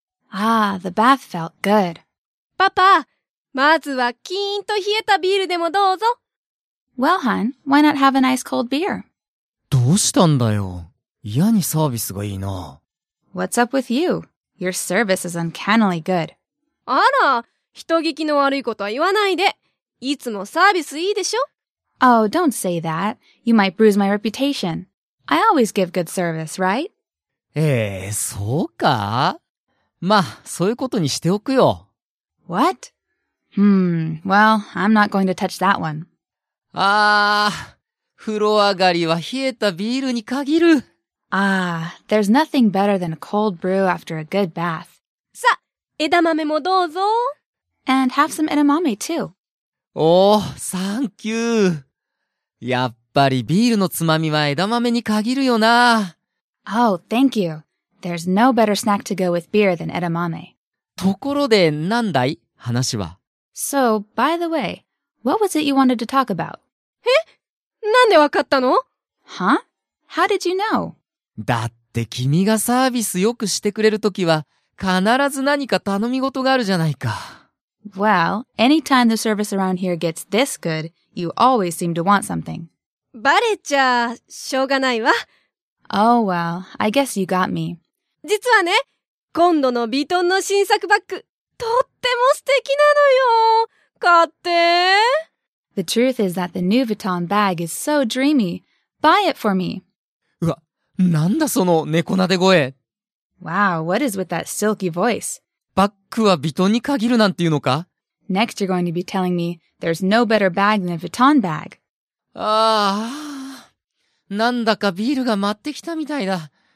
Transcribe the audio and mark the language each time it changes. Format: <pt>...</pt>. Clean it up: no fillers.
<en>ああ、the bath felt good.</en> <ja>パパ、まずはキーンと冷えたビールでもどうぞ。</ja> <en>Well, hon, why not have a nice cold beer?</en> <ja>どうしたんだよ。嫌にサービスがいいな。</ja> <en>What's up with you? Your service is uncannily good.</en> <ja>あら、人聞きの悪いことは言わないで。いつもサービスいいでしょ。</ja> <en>Oh, don't say that. You might bruise my reputation. I always give good service, right?</en> <ja>そうか。まあ、そういうことにしておくよ。</ja> <en>What? Well, I'm not going to touch that one.</en> <ja>Ah, 風呂上がりは冷えたビールに限る。</ja> <en>Ah, there's nothing better than a cold brew after a good bath.</en> <ja>さ、枝豆もどうぞ。</ja> <en>And have some edamame too. Oh, thank you.</en> <ja>やっぱりビールのつまみは枝豆に限るよな。</ja> <en>Oh, thank you. There's no better snack to go with beer than edamame.</en> <ja>ところで、なんだい？話は。</ja> <en>So, by the way, what was it you wanted to talk about?</en> <ja>え？なんでわかったの？</ja> <en>Huh? How did you know?</en> <ja>だって君がサービスよくしてくれるときは、必ず何か頼み事があるじゃないか。</ja> <en>Well, anytime the service around here gets this good, you always seem to want something.</en> <ja>バレちゃ、しょうがないわ。</ja> <en>Oh well, I guess you got me.</en> <ja>実はね、今度のヴィトンの新作バッグ、とっても素敵なのよ。買って。</ja> <en>The truth is that the new Vuitton bag is so dreamy. Buy it for me.</en> <ja>うわ、なんだその猫なで声。</ja> <en>Wow, what is with that silky voice?</en> <ja>バッグはヴィトンに限るなんていうのか?</ja> <en>Next you're going to be telling me there's no better bag than a Vuitton bag.</en> <ja>ああ、なんだかビールが待ってきたみたいだ。</ja>